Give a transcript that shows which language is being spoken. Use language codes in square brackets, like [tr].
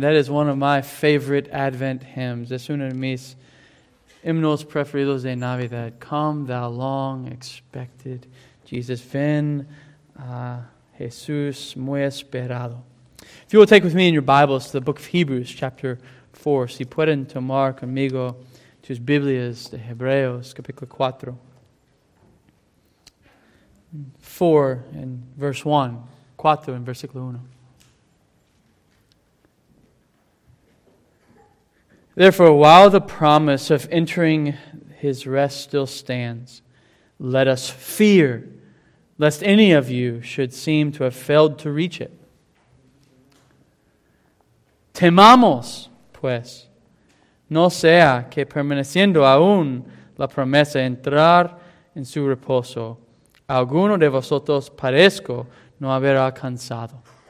[en] That is one of my favorite Advent hymns. [es] Es uno de mis himnos preferidos de Navidad. [en] Come, thou long expected Jesus. [es] Ven a Jesús muy esperado. [en] If you will take with me in your Bibles to the book of Hebrews, chapter 4. [es] Si pueden tomar conmigo tus Biblias de Hebreos, capítulo 4. [en] 4 in verse 1. 4 in versículo 1. Therefore, while the promise of entering his rest still stands, let us fear, lest any of you should seem to have failed to reach it. [es] Temamos, pues, no sea que permaneciendo aún la promesa entrar en su reposo, alguno de vosotros parezco no haber alcanzado.